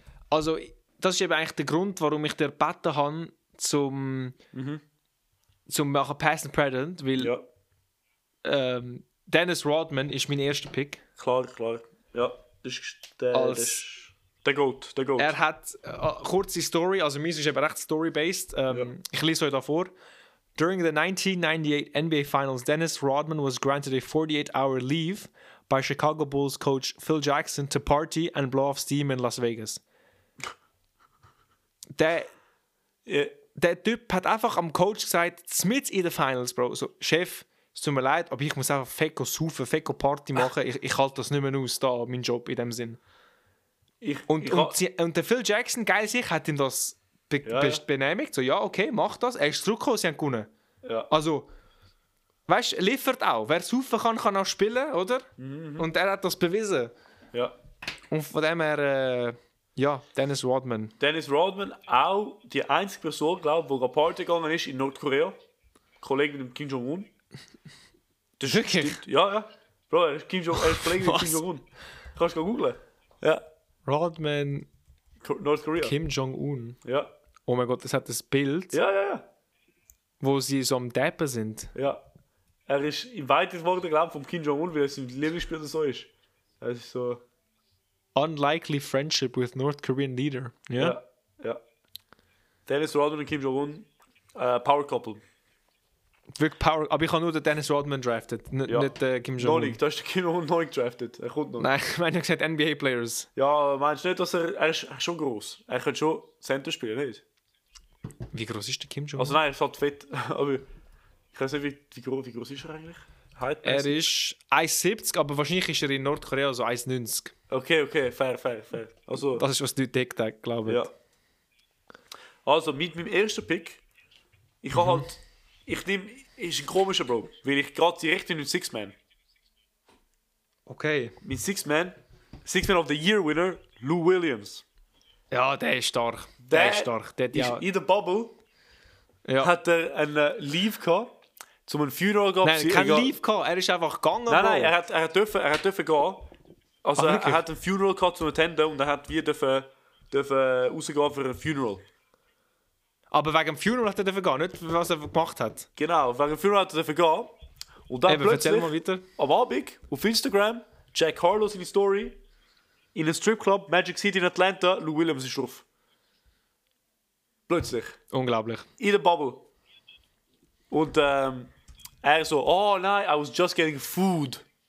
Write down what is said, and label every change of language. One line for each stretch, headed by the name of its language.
German: Also, das ist eben eigentlich der Grund, warum ich dir gebeten habe, zum machen Pass and Present, weil ja. Dennis Rodman ist mein erster Pick. Klar. Ja, das ist der Goat. Er hat eine kurze Story, also meins ist eben recht story-based. Ja. Ich lese euch da vor.
English: During the 1998 NBA Finals, Dennis Rodman was granted a 48-hour leave by Chicago Bulls coach Phil Jackson to party and blow off steam in Las Vegas.
German: Der Typ hat einfach am Coach gesagt, mit in den Finals, Bro. So, Chef, es tut mir leid, aber ich muss einfach fecko saufen, fecko Party machen. Ich halte das nicht mehr aus, da, mein Job in dem Sinn. Und der Phil Jackson, geil sich, hat ihm das benehmigt. So, ja, okay, mach das. Er ist zurückgekommen, sie haben gewonnen. Ja. Also, weißt du, liefert auch. Wer saufen kann, kann auch spielen, oder? Mhm. Und er hat das bewiesen. Ja. Und von dem her. Ja, Dennis Rodman. Dennis Rodman, auch die einzige Person, glaube ich, die Party gegangen ist in Nordkorea. Kollege mit dem Kim Jong-un. Das wirklich? Stimmt. Ja. Bro, er ist Kollege mit Kim Jong-un. Kannst du googlen? Ja. Rodman. Nordkorea. Kim Jong-un. Ja. Oh mein Gott, das hat das Bild. Ja. Wo sie so am Dappen sind. Ja. Er ist im weitesten Worten, glaube ich, vom Kim Jong-un, weil er sein Lieblingsspieler so ist. Er ist so.
English: Unlikely friendship with North Korean leader. Yeah?
German: Ja. Dennis Rodman und Kim Jong-un, Power Couple. Wirklich Power, aber ich habe nur den Dennis Rodman draftet, nicht Kim Jong-un. Noch nicht, da ist der Kim Jong-un noch nicht draftet. Er kommt noch. Nein, ich meine, er gesagt NBA Players. Ja, meinst du nicht, dass er ist schon groß? Er könnte schon Center spielen, nicht? Wie groß ist der Kim Jong-un? Also nein, er ist halt fett, aber ich weiß nicht, wie groß ist er eigentlich? Er ist 1,70, aber wahrscheinlich ist er in Nordkorea so 1,90. Okay, fair. Also, das ist, was du entdeckt hast, glaube ich. Ja. Also, mit meinem ersten Pick, ich habe halt. Ich nehme. Ist ein komischer Bro, weil ich gerade direkt in den Sixth Man. Okay. Mein Sixth Man of the Year Winner, Lou Williams. Ja, der ist stark. Der ist in der Bubble. Ja. Hat er einen Leave gehabt. Zum einen Funeral gab es. Kein Leave gehabt, er ist einfach gegangen. Nein, er hat dürfen gehen. Also er hat ein Funeral gehabt zum Attenden und er hat wie dürfen rausgehen für ein Funeral. Aber wegen dem Funeral hat er dürfen gehen, nicht was er gemacht hat. Genau, wegen dem Funeral hat er dürfen gehen. Und dann erzähl mal weiter. Am Abend auf Instagram, Jack Harlow in die Story, in einem Stripclub, Magic City in Atlanta, Lou Williams ist drauf. Plötzlich. Unglaublich. In der Bubble. Und er so, oh nein,
English: I was just getting food.